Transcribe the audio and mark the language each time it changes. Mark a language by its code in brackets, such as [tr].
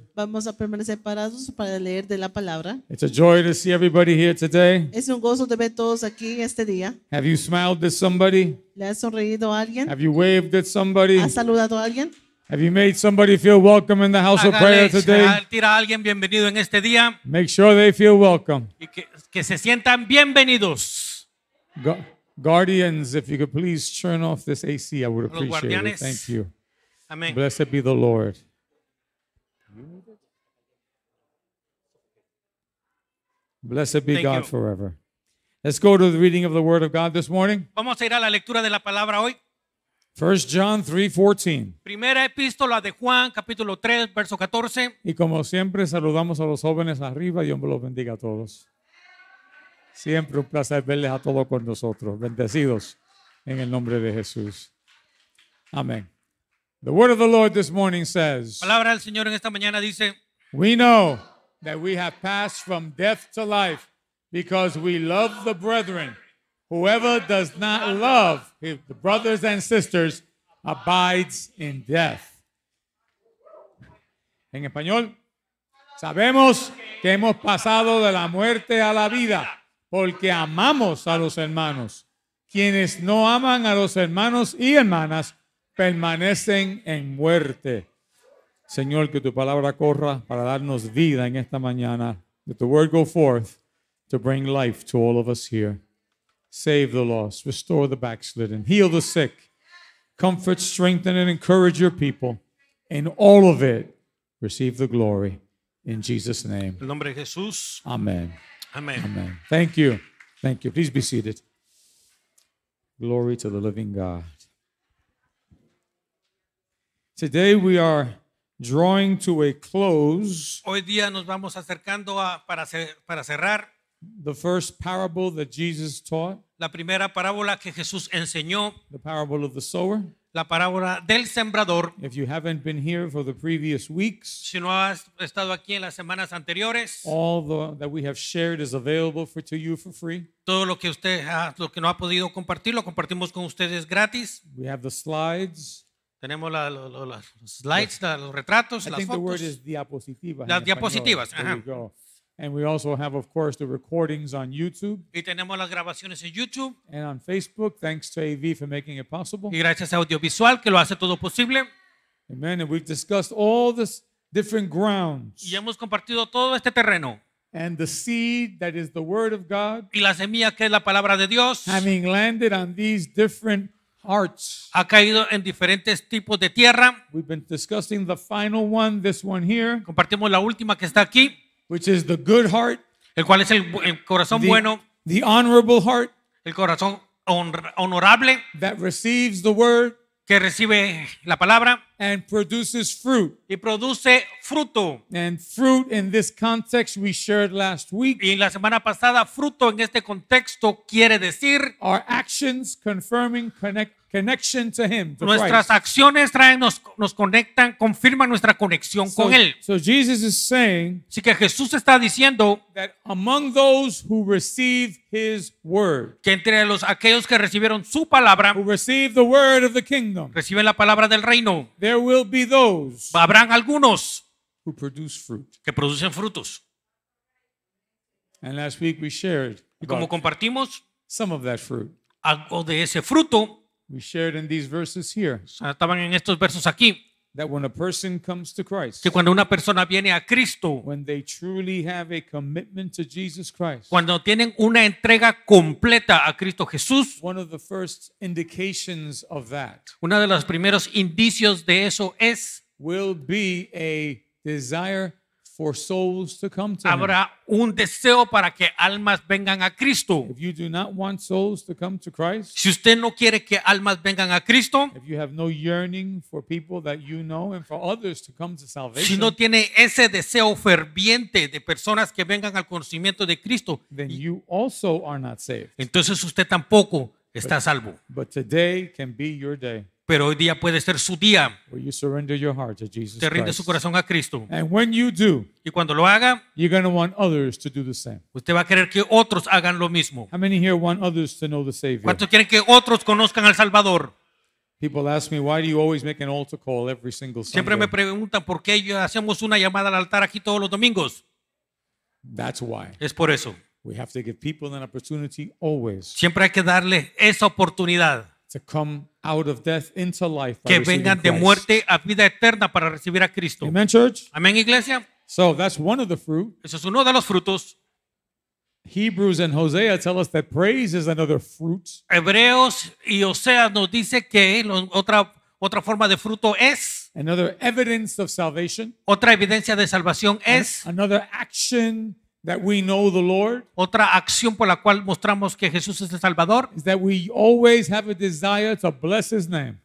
[es] Vamos a permanecer parados para leer de la palabra. [en] It's a joy to see everybody here today. [es] Es un gozo de ver todos aquí este día. [en] Have you smiled at somebody? [es] ¿Le has sonreído a alguien? [en] Have you waved at somebody? [es] ¿Has saludado a alguien? [en] Have you made somebody feel welcome in the house of prayer today? [es] Tira a alguien bienvenido en este día. [en] Make sure they feel welcome. [es] Y que se sientan bienvenidos. [en] Guardians, if you could please turn off this AC, I would appreciate it. Thank you. Amen. Blessed be the Lord. Blessed be Thank God Forever. Let's go to the reading of the Word of God this morning. [es] Vamos a ir a la lectura de la palabra hoy. [en] 1 John 3:14. [es] Primera epístola de Juan, capítulo 3, verso 14. Y como siempre, saludamos a los jóvenes arriba. Dios me los bendiga a todos. Siempre un placer verles a todos con nosotros. Bendecidos en el nombre de Jesús. Amén. [en] The Word of the Lord this morning says, [es] palabra del Señor en esta mañana dice, [en] we know that we have passed from death to life because we love the brethren. Whoever does not love the brothers and sisters abides in death. [es] En español, sabemos que hemos pasado de la muerte a la vida porque amamos a los hermanos. Quienes no aman a los hermanos y hermanas permanecen en muerte. Señor, que tu palabra corra para darnos vida en esta mañana. [en] Let the word go forth to bring life to all of us here. Save the lost, restore the backslidden, heal the sick, comfort, strengthen, and encourage your people. In all of it, receive the glory. In Jesus' name. [es] En nombre de Jesús. [en] Amen. Amen. Amen. Thank you. Thank you. Please be seated. Glory to the living God. Today we are drawing to a close. [es] Hoy día nos vamos acercando a para cerrar. [en] The first parable that Jesus taught. [es] La primera parábola que Jesús enseñó. [en] The parable of the sower. [es] La parábola del sembrador. [en] If you haven't been here for the previous weeks. [es] Si no has estado aquí en las semanas anteriores. [en] All that we have shared is available to you for free. [es] Todo lo que usted ha, lo que no ha podido compartir, lo compartimos con ustedes gratis. [en] We have the slides. [es] Tenemos las slides, los retratos, las fotos. [en] I think the word is diapositiva. [es] Las diapositivas. [en] And we also have, of course, the recordings on YouTube. [es] Y tenemos las grabaciones en YouTube. [en] And on Facebook, thanks to AV for making it possible. [es] Y gracias a Audiovisual, que lo hace todo posible. [en] Amen. And we've discussed all this different grounds. [es] Y hemos compartido todo este terreno. [en] And the seed that is the Word of God. [es] Y la semilla que es la palabra de Dios. [en] Having landed on these different hearts. [es] Ha caído en diferentes tipos de tierra. [en] We've been discussing the final one, this one here. [es] Compartimos la última que está aquí. [en] Which is the good heart, [es] el cual es el corazón bueno, [en] the honorable heart, [es] el corazón honorable, [en] that receives the word, [es] que recibe la palabra, [en] and produces fruit, [es] y produce fruto. [en] And fruit in this context we shared last week, [es] y la semana pasada, fruto en este contexto quiere decir, [en] our actions confirming connection to him, to [es] nuestras [en] Christ. [es] Acciones traen nos conectan, confirman nuestra conexión con él. [en] So Jesus is saying, [es] así que Jesús está diciendo, [en] that among those who receive his word, [es] que entre los aquellos que recibieron su palabra, [en] who receive the word of the kingdom, [es] reciben la palabra del reino, [en] there will be those, [es] habrán algunos, [en] who produce fruit, [es] que producen frutos. [en] And last week we shared, [es] y como compartimos, [en] some of that fruit, [es] algo de ese fruto. [en] We shared in these verses here. [es] Estaban en estos versos aquí. [en] That when a person comes to Christ. [es] Que cuando una persona viene a Cristo. [en] When they truly have a commitment to Jesus Christ. [es] Cuando tienen una entrega completa a Cristo Jesús. [en] One of the first indications of that. [es] Una de los primeros indicios de eso es. [en] Will be a desire for souls to come to him. [es] Habrá un deseo para que almas vengan a Cristo. [en] If you do not want souls to come to Christ, [es] si usted no quiere que almas vengan a Cristo, [en] if you have no yearning for people that you know and for others to come to salvation, [es] si no tiene ese deseo ferviente de personas que vengan al conocimiento de Cristo, [en] then you also are not saved. [es] Entonces usted tampoco está salvo. [en] But today can be your day. [es] Pero hoy día puede ser su día. [en] You surrender your heart to Jesus. [es] Te rinde su corazón a Cristo. [en] And when you do, [es] y cuando lo haga, [en] you're going to want others to do the same. [es] Usted va a querer que otros hagan lo mismo. [en] How many here want others to know the Savior? [es] ¿Cuántos quieren que otros conozcan al Salvador? [en] People ask me, why do you always make an altar call every single Sunday? [es] Siempre me preguntan por qué hacemos una llamada al altar aquí todos los domingos. [en] That's why. [es] Es por eso. [en] We have to give people an opportunity always. [es] Siempre hay que darle esa oportunidad. [en] To come out of death into life. [es] Que vengan de muerte a vida eterna para recibir a Cristo. [en] Amen, church. [es] Amén, iglesia. [en] So that's one of the fruit. [es] Eso es uno de los frutos. [en] Hebrews and Hosea tell us that praise is another fruit. [es] Hebreos y Oseas nos dice que otra forma de fruto es. [en] Another evidence of salvation. [es] Otra evidencia de salvación es. [en] Another action that we know the Lord. [es] Otra acción por la cual mostramos que Jesús es el Salvador. [en] Is that we always have a desire to bless His name.